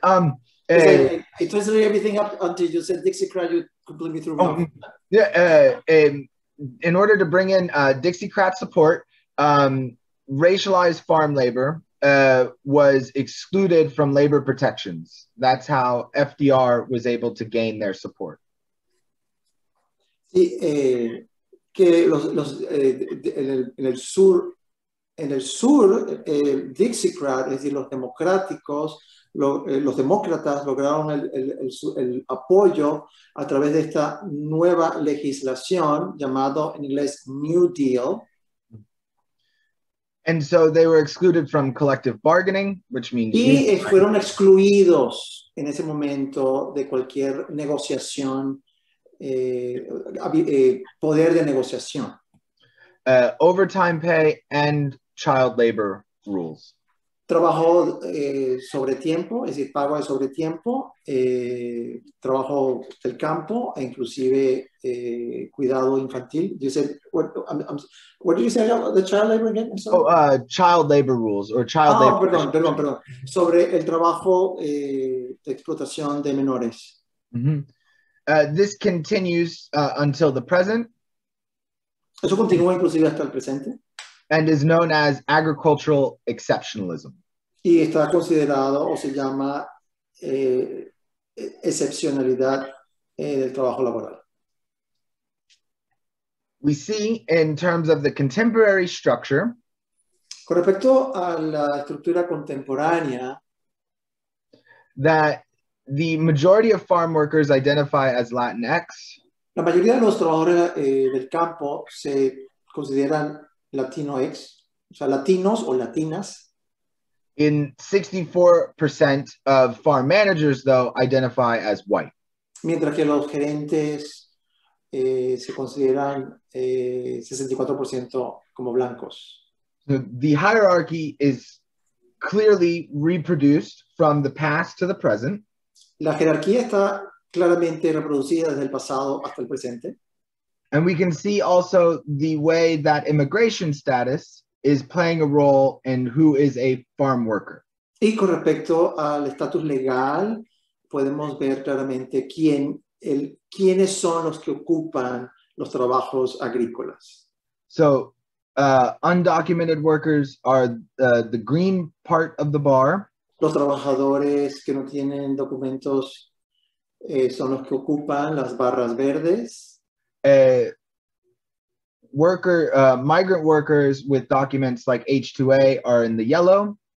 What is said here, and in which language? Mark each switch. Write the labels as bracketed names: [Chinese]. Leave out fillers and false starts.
[English] I translated everything up until you said Dixiecrat, you completely threw me off. Yeah. In order to bring in Dixiecrat support, racialized farm labor was excluded from labor protections. That's how FDR was able to gain their support. [Spanish] Sí, que los en el sur, Dixiecrat, es decir, los demócratas lograron el apoyo a través de esta nueva legislación llamado en inglés New Deal. [English] And so they were excluded from collective bargaining, which means... [Spanish] Y fueron excluidos en ese momento de cualquier negociación, poder de negociación. [English] Overtime pay and child labor rules. [Spanish] Trabajo sobre tiempo, es decir, pago de sobre tiempo, trabajo del campo, e inclusive cuidado infantil. [English] You said, what did you say about the child labor again? Child labor rules or child labor. [Spanish] Perdón. Sobre el trabajo de explotación de menores. [English] Mm-hmm. This continues until the present. [Spanish] Eso continúa inclusive hasta el presente. [English] And is known as agricultural exceptionalism. [Spanish] Y está considerado o se llama excepcionalidad del trabajo laboral. [English] We see in terms of the contemporary structure. [Spanish] Con respecto a la estructura contemporánea. [English] That the majority of farm workers identify as Latinx. [Spanish] La mayoría de los trabajadores del campo se consideran Latinx, o sea, latinos o latinas. [English] In 64% of farm managers, though, identify as white. [Spanish] Mientras que los gerentes se consideran 64% como blancos. [English] So the hierarchy is clearly reproduced from the past to the present. [Spanish] La jerarquía está claramente reproducida desde el pasado hasta el presente. [English] And we can see also the way that immigration status is playing a role in who is a farm worker. [Spanish] Y con respecto al estatus legal, podemos ver claramente quiénes son los que ocupan los trabajos agrícolas. [English] So, undocumented workers are the green part of the bar. [Spanish] Los trabajadores que no tienen documentos son los que ocupan las barras verdes. [English] Migrant workers with documents like H-2A are in the yellow.